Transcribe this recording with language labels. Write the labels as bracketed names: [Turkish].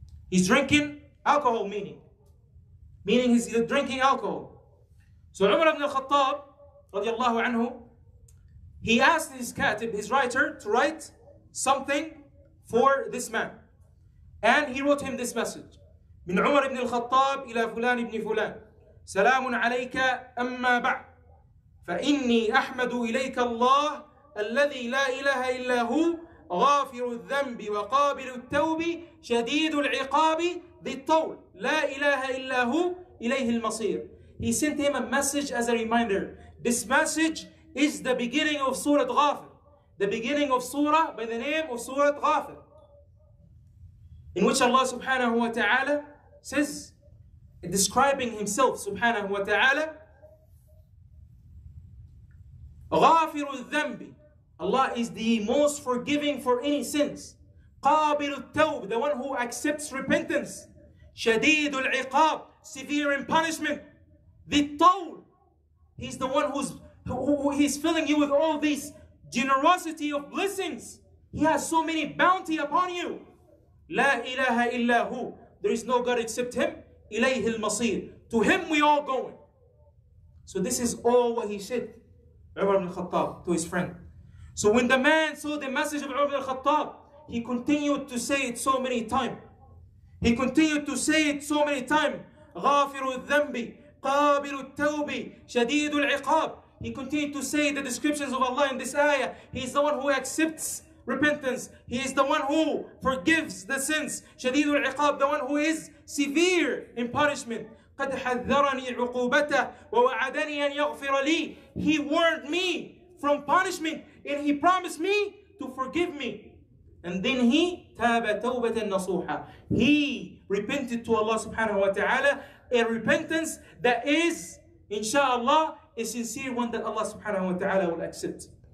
[English] He's drinking alcohol, meaning he's drinking alcohol. So Umar ibn al-Khattab, radiallahu anhu, he asked his katib, his writer, to write something for this man. And he wrote him this message. [Arabic] من عمر بن الخطاب إلى فلان بن فلان سلام عليك أما بعد فإني أحمد إليك الله الذي لا إله إلا هو غافر الذنب وقابل التوب شديد العقاب ذي الطول لا إله إلا هو إليه المصير. [English] He sent him a message as a reminder. This message is the beginning of Surah Ghafir. The beginning of Surah by the name of Surah Ghafir. In which Allah subhanahu wa ta'ala says, describing himself subhanahu wa ta'ala, [Arabic] غافر الذنب. [English] Allah is the most forgiving for any sins. [Arabic] قابل التوب, [English] the one who accepts repentance. [Arabic] شديد العقاب, [English] severe in punishment. [Arabic] ذي الطول, [English] he's the one who he's filling you with all these generosity of blessings. He has so many bounty upon you. [Arabic] لا إله إلا هو. [English] There is no God except him. [Arabic] إليه المصير. [English] To him we all going. So this is all what he said. Umar ibn al-Khattab to his friend. So when the man saw the message of Umar ibn al-Khattab, he continued to say it so many times. He continued to say it so many times. [Arabic] غافر الذنب قابل التوب شديد العقاب. [English] He continued to say the descriptions of Allah in this ayah. He is the one who accepts repentance. He is the one who forgives the sins. [Arabic] شديد العقاب, [English] the one who is severe in punishment. [Arabic] قد حذرني عقوبته ووعدني أن يغفر لي. [English] He warned me from punishment and he promised me to forgive me. And then he [Arabic] تاب توبة نصوحة. [English] He repented to Allah subhanahu wa ta'ala, a repentance that is, inshallah, a sincere one that Allah subhanahu wa ta'ala will accept.